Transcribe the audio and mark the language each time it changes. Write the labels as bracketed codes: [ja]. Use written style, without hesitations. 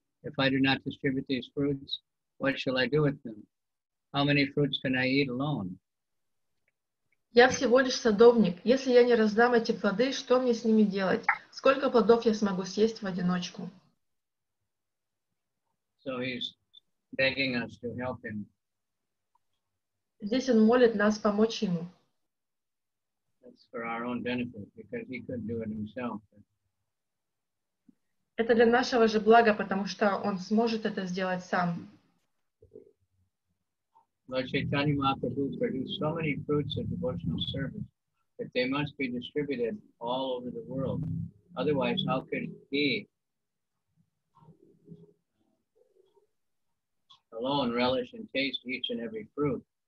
[en] If I do not distribute these fruits, what shall I do with them? How many fruits can I eat alone? [ru] Я всего лишь садовник. Если я не раздам эти плоды, что мне с ними делать? Сколько плодов я смогу съесть в одиночку? [en] So he's begging us to help him. [ru] Здесь он молит нас помочь ему. [en] For our own benefit, because he couldn't do it himself. [ru] Это для нашего же блага, потому что он сможет это сделать сам. [en] Lord Chaitanya Mahaprabhu produced so many fruits of devotional service that they must be distributed all over the world. Otherwise, how could he alone relish and taste each and every fruit?